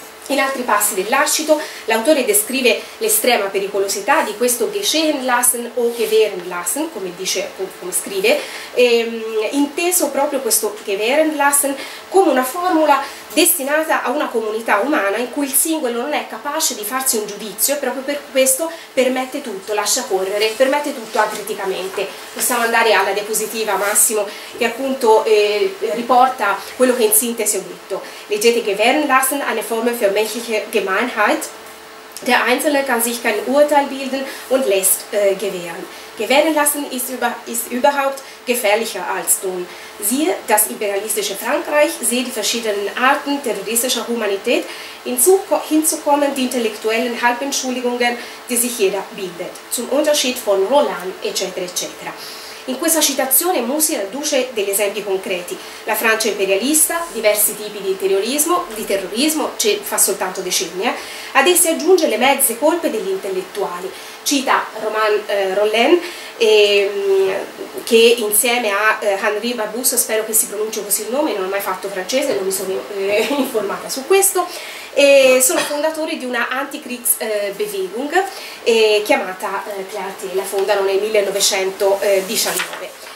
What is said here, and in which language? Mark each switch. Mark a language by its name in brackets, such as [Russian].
[Italian] In altri passi dell'Arcito l'autore descrive l'estrema pericolosità di questo geschehen lassen o gewähren lassen, come dice, come scrive, inteso proprio questo gewähren lassen come una formula destinata a una comunità umana in cui il singolo non è capace di farsi un giudizio e proprio per questo permette tutto, lascia correre, permette tutto acriticamente. Possiamo andare alla diapositiva, Massimo, che appunto riporta quello che in sintesi ho detto. [German] Leggete: gewähren lassen, eine Formel für menschliche Gemeinheit, der Einzelne kann sich kein Urteil bilden und lässt gewähren. Gewähren lassen ist überhaupt gefährlicher als tun. Siehe das imperialistische Frankreich, siehe die verschiedenen Arten terroristischer Humanität, hinzukommen die intellektuellen Halbentschuldigungen, die sich jeder bildet, zum Unterschied von Roland etc. etc. [Italian] In questa citazione Musil adduce degli esempi concreti: la Francia imperialista, diversi tipi di terrorismo, ci fa soltanto decenni, ad essi aggiunge le mezze colpe degli intellettuali. Cita Romain Rolland, che insieme a Henri Barbusse, spero che si pronunci così il nome, non ho mai fatto francese, non mi sono informata su questo, sono fondatori di una anti-Kriegsbewegung chiamata Clarté, la fondano nel 1919.